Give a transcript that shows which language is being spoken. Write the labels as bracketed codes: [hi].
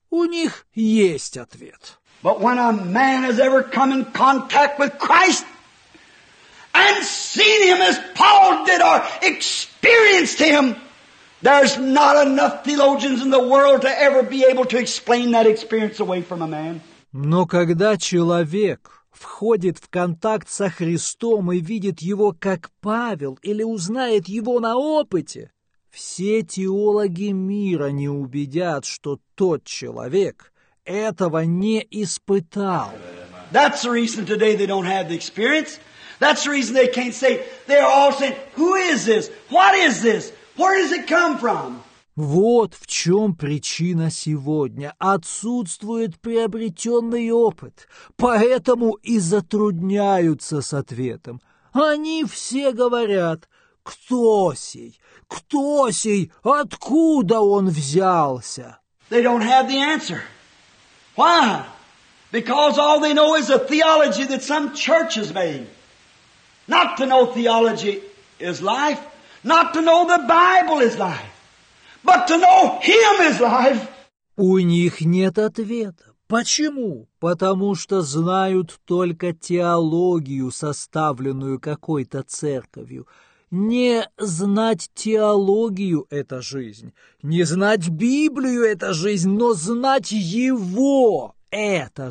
[ru] У них есть ответ. [en] But when a man has ever come in contact with Christ, and seen him as Paul did, or experienced him, there's not enough theologians in the world to ever be able to explain that experience away from a man. [ru] Но когда человек входит в контакт со Христом и видит его как Павел, или узнает его на опыте, все теологи мира не убедят, что тот человек этого не испытал. [en] That's the reason today they don't have the experience. That's the reason they can't say, they're all saying, who is this? What is this? Where does it come from? [ru] Вот в чем причина сегодня. Отсутствует приобретенный опыт. Поэтому и затрудняются с ответом. Они все говорят, кто сей? Кто сей? Откуда он взялся? [en] They don't have the answer. Why? Because all they know is a theology that some church has made. Not to know theology is life, not to know the Bible is life, but to know Him is life. [ru] У них нет ответа. Почему? Потому что знают только теологию, составленную какой-то церковью. Не знать теологию – это жизнь. Не знать Библию – это жизнь, но знать Его – это